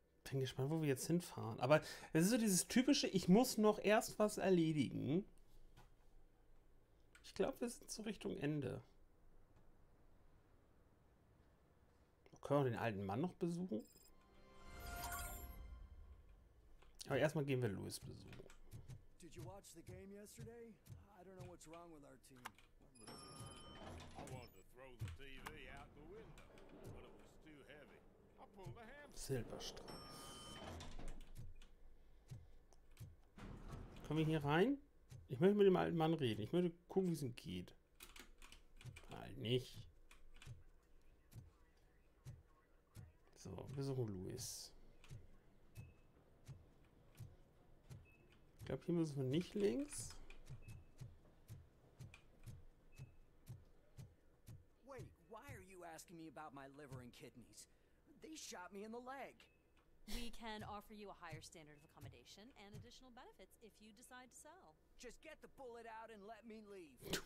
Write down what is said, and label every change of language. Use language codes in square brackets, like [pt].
[de] bin gespannt, wo wir jetzt hinfahren. Aber es ist so dieses typische, ich muss noch erst was erledigen. Ich glaube, wir sind so Richtung Ende. Können wir den alten Mann noch besuchen? Aber erstmal gehen wir Louis besuchen. [en] Did you watch the game yesterday? I don't know what's wrong with our team. I wanted to throw the TV out the window, but it was too heavy. I pulled the hamster. [de] Silberstrauß. Kommen wir hier rein? Ich möchte mit dem alten Mann reden. Ich möchte gucken, wie es ihm geht. Halt nicht. So, wir suchen Louis. Ich glaube, hier müssen wir nicht links. [en] Wait, why are you asking me about my liver and kidneys? They shot me in the leg. We can offer you a higher standard of accommodation and additional benefits if you decide to sell. Just get the bullet out and let me leave.